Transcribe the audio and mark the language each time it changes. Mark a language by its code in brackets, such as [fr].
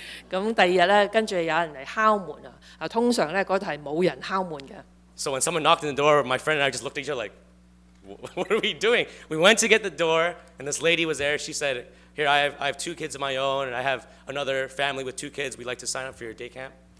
[yue] 咁第二日咧，跟住有人嚟敲門啊！啊，通常咧嗰度係冇人敲門嘅。 [en] So when someone knocked on the door, my friend and I just looked at each other like, "What are we doing?" We went to get the door, and this lady was there. She said, "Here, I have 2 kids of my own, and I have another family with 2 kids. We'd like to sign up for your day camp."